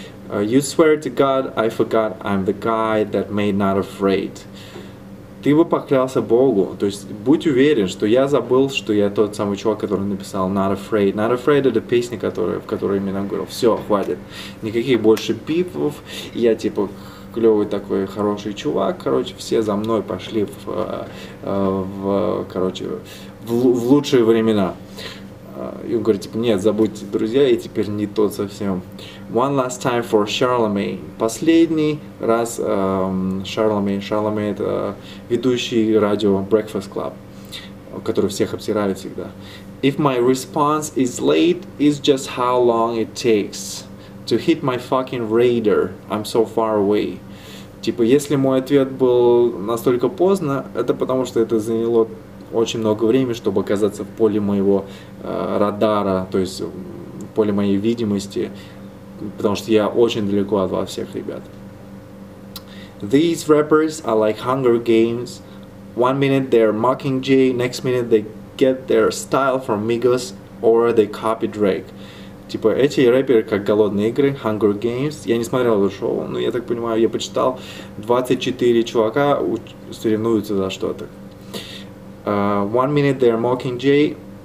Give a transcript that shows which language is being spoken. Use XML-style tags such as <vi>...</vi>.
<en>You swear to God, I forgot I'm the guy that made not afraid.</en> <ru>Ты бы поклялся Богу, то есть будь уверен, что я забыл, что я тот самый чувак, который написал Not Afraid. Not Afraid — это песня, в которой именно говорил, все, хватит, никаких больше бифов, я типа клевый такой хороший чувак, короче, все за мной пошли в лучшие времена. И он говорит, типа, нет, забудьте, друзья, я теперь не тот совсем.</ru> <en>One last time for Charlemagne.</en> <ru>Последний раз Charlemagne. Charlemagne — это ведущий радио Breakfast Club, который всех обсирает всегда.</ru> <en>If my response is late, it's just how long it takes to hit my fucking radar. I'm so far away.</en> <ru>Типа, если мой ответ был настолько поздно, это потому, что это заняло очень много времени, чтобы оказаться в поле моего радара, то есть в поле моей видимости, потому что я очень далеко от вас всех, ребят.</ru> <en>These rappers are like Hunger Games. One minute they're Mockingjay, next minute they get their style from Migos or they copy Drake.</en> <ru>Типа, эти рэперы как Голодные игры, Hunger Games. Я не смотрел это шоу, но я так понимаю, я почитал, 24 чувака соревнуются за что-то.</ru> <en>One minute they're Mockingjay.</en>